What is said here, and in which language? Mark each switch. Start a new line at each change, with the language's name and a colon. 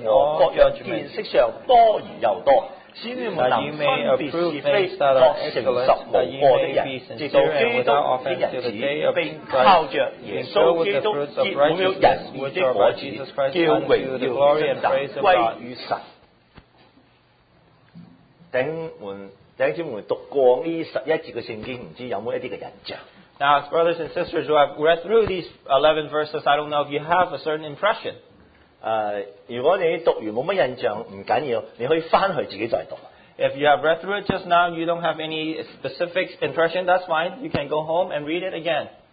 English: Now, brothers and sisters, who have read through these 11 verses, I don't know if you have a certain impression.
Chinese: 如果你读完没什么印象,不要紧,你可以回去自己再读。
English: If you have read through it just now, you don't have any specific impression, that's fine. You can go home and read it again.